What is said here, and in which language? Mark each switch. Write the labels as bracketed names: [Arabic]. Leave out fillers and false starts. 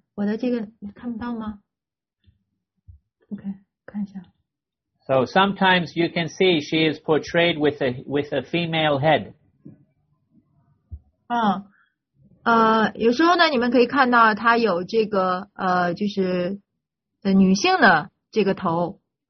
[Chinese] 我的这个你看不到吗 ？OK， 看一下。 [English] So sometimes you can see she is portrayed with a female head. [Chinese] 有时候呢，你们可以看到她有这个就是女性的这个头。